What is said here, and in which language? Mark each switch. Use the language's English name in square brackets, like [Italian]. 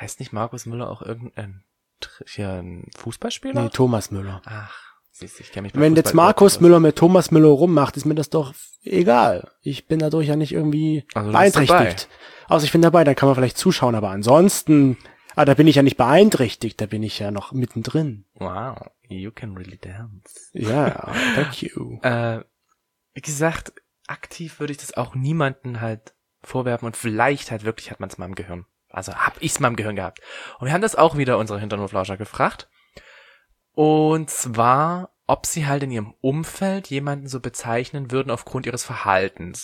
[German] Heißt nicht Markus Müller auch irgendein Fußballspieler? Nee, Thomas Müller. Ach, siehst du, ich kenne mich bei Wenn Fußball jetzt Markus Müller mit Thomas Müller rummacht, ist mir das doch egal. Ich bin dadurch ja nicht irgendwie beeinträchtigt. Also ich bin dabei, dann kann man vielleicht zuschauen, aber ansonsten. Ah, da bin ich ja nicht beeinträchtigt, da bin ich ja noch mittendrin. [English] Wow, you can really dance. [German] Ja, [English] thank you. [German] Wie gesagt, aktiv würde ich das auch niemanden halt vorwerfen und vielleicht halt wirklich hat man es mal im Gehirn. Also hab ich es mal im Gehirn gehabt. Und wir haben das auch wieder unsere Hinterhoflauscher gefragt. Und zwar, ob sie halt in ihrem Umfeld jemanden so bezeichnen würden aufgrund ihres Verhaltens.